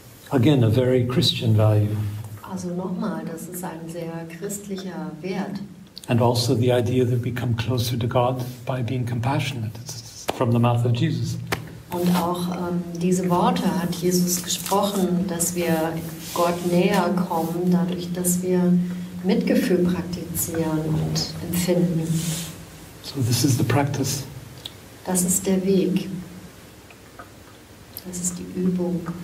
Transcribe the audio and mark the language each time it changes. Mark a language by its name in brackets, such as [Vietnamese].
[English] Again, a very Christian value. [German] Also nochmal, das ist ein sehr christlicher Wert. [English] And also the idea that we come closer to God by being compassionate. It's from the mouth of Jesus. [German] Und auch diese Worte hat Jesus gesprochen, dass wir Gott näher kommen, dadurch, dass wir Mitgefühl praktizieren und empfinden. [English] So this is the practice. [German] Das ist der Weg. Das ist die Übung.